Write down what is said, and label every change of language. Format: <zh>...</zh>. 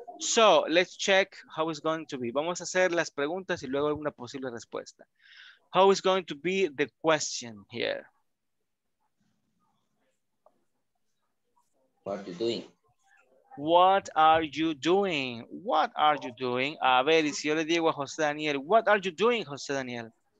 <en>So, let's check how it's going to be.</en> <es>Vamos a hacer las preguntas y luego alguna posible respuesta.</es> <en>How is going to be the question here? What are you doing? What are you doing? What are you doing?</en> <es>A ver, y si yo le digo a José Daniel,</es> <en>what are you doing,</en> <es>José Daniel?</es>